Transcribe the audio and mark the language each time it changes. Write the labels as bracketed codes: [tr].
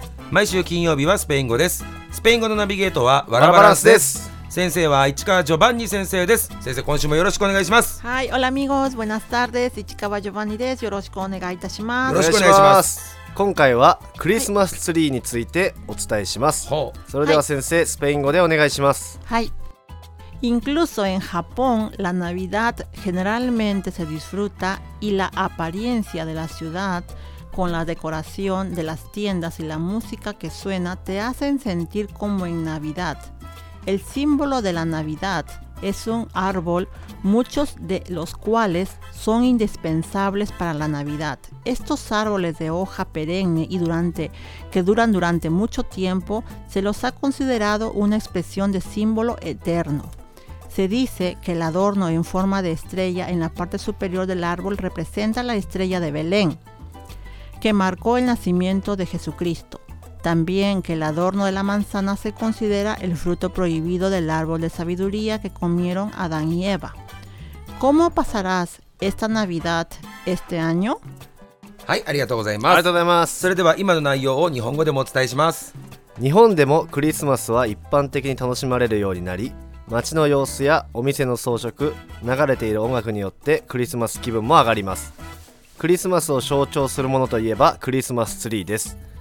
[ja] 毎週金曜日はスペイン語です。スペイン語のナビゲートはワラバランスです。先生は市川ジョバンニ先生です。先生、今週もよろしくお願いします。はい、オラミゴーズ、ブナスタールです。市川ジョバンニです。よろしくお願いいたします。よろしくお願いします。今回はクリスマスツリーについてお伝えします。はい、それでは先生、はい、スペイン語でお願いします。 [es] はい、Incluso en Japón, la Navidad generalmente se disfruta y la apariencia de la ciudad con la decoración de las tiendas y la música que suena te hacen sentir como en Navidad. El símbolo de la Navidad es un árbol, muchos de los cuales son indispensables para la Navidad. Estos árboles de hoja perenne y que duran durante mucho tiempo se los ha considerado una expresión de símbolo eterno. Se dice que el adorno en forma de estrella en la parte superior del árbol representa la estrella de Belén, que marcó el nacimiento de Jesucristo. También que el adorno de la manzana se considera el fruto prohibido del árbol de sabiduría que comieron Adán y Eva. ¿Cómo pasarás esta Navidad este año? [ja] はい、ありがとうございます。ありがとうございます。それでは今の内容を日本語でもお伝えします。日本でもクリスマスは一般的に楽しまれるようになり、街の様子やお店の装飾、流れている音楽によってクリスマス気分も上がります。クリスマスを象徴するものといえばクリスマスツリーです。